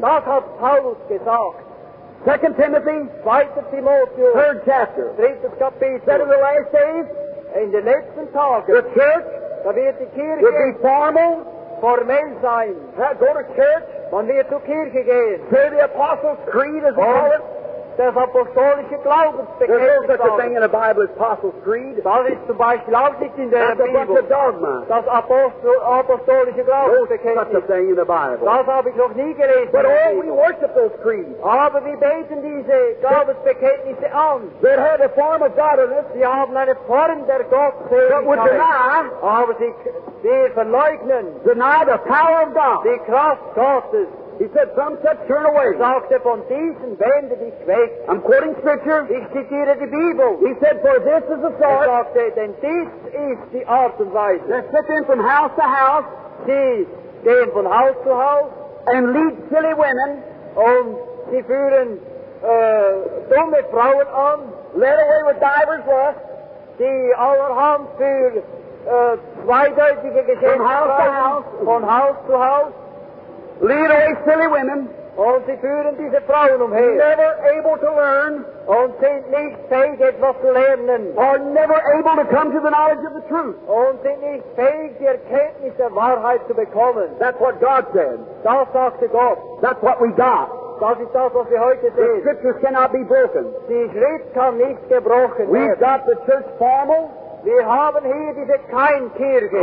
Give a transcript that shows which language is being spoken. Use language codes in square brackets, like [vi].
[de] Das hat Paulus gesagt. [en] 2 Timothy. [de] 2 Timotheus. [en] 3rd chapter. [de] 3. Kapitel. [en] Said in the last days. [de] In [en] the [de] letzten Tage, [en] the church, [de] da wird die Kirche, [en] will be formal, [de] formell sein. [en] Go to church, [de] man wird zur Kirche gehen. [en] Say the Apostles' Creed as we call it. [de] Das apostolische Glaubensbekenntnis. [en] There's no such a thing in the Bible as Apostles' Creed. [de] Das ist zum Beispiel auch nicht in der Bibel. [en] That's a bunch of dogma. [de] Das apostolische Glaubensbekenntnis. [en] No such a thing in the Bible. [de] Das habe ich noch nie gelesen. [en] But all we worship those creeds. [de] Aber wir beten diese Glaubensbekenntnisse an. [en] They had a form of godliness. [de] Sie haben eine Form der Gottseligkeit. [en] That would deny. [de] Aber sie verleugnen. [en] Deny the power of God. [de] Die Kraft Gottes. [en] He said, some such turn away. I'm quoting scripture. [de] Ich zitiere die Bibel. [en] He said, for this is the sort. [de] Er sagte, denn dies ist die Art und Weise. [en] That set them from house to house. [de] Sie gehen von Haus zu Haus. [en] And lead silly women. [de] Und sie führen dumme Frauen an. [en] Led away with divers lust. [de] Sie allerhand für zweideutige Geschenke. [en] From house to house. [de] Von Haus zu Haus. [en] Lead away silly women. [de] Und sie führen diese Frauen umher. [en] Never able to learn. [de] Und sind nicht fähig, etwas zu lernen. [en] Or never able to come to the knowledge of the truth. [de] Und sind nicht fähig, die Erkenntnis der Wahrheit zu bekommen. [en] That's what God said. [de] Das sagte Gott. [en] That's what we got. [de] Das ist das, was wir heute sehen. [en] The scriptures cannot be broken. [de] Die Schrift kann nicht gebrochen werden. [en] We've got the church formal. [de] Wir haben hier diese Keimkirche.